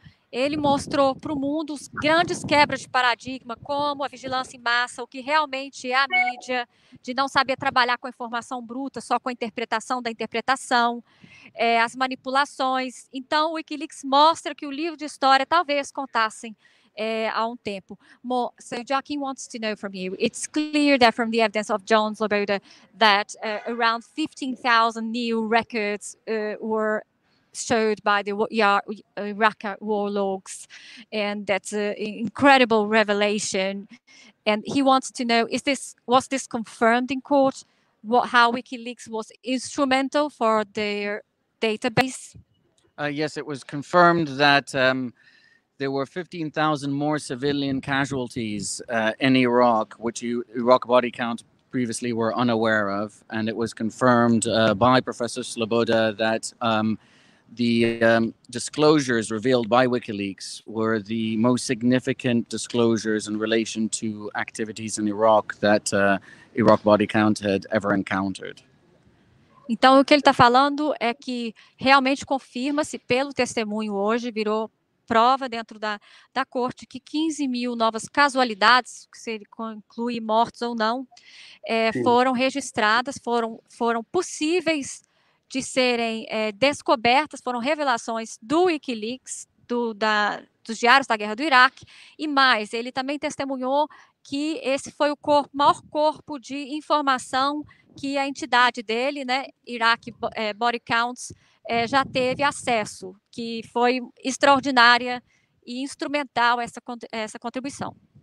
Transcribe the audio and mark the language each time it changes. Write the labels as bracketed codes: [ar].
[pt] Ele mostrou para o mundo os grandes quebras de paradigma, como a vigilância em massa, o que realmente é a mídia, de não saber trabalhar com a informação bruta, só com a interpretação da interpretação, as manipulações. Então, o WikiLeaks mostra que o livro de história talvez contassem há um tempo. [en] So, Joaquim wants to know from you. It's clear that from the evidence of John Sloboda that around 15,000 new records were showed by the Iraqi warlords, and that's an incredible revelation. And he wants to know, was this confirmed in court? How WikiLeaks was instrumental for their database? Yes, it was confirmed that there were 15,000 more civilian casualties in Iraq, which Iraq body count previously were unaware of. And it was confirmed by Professor Sloboda that the disclosures revealed by WikiLeaks were the most significant disclosures in relation to activities in Iraq that Iraq body count had ever encountered. [pt] Então, o que ele está falando é que realmente confirma-se pelo testemunho hoje, virou prova dentro da corte, que 15 mil novas casualidades, se ele conclui mortos ou não, foram registradas, foram possíveis de serem descobertas, foram revelações do WikiLeaks, dos diários da guerra do Iraque, e mais, ele também testemunhou que esse foi o maior corpo de informação que a entidade dele, né, Iraq Body Counts, já teve acesso, que foi extraordinária e instrumental essa contribuição.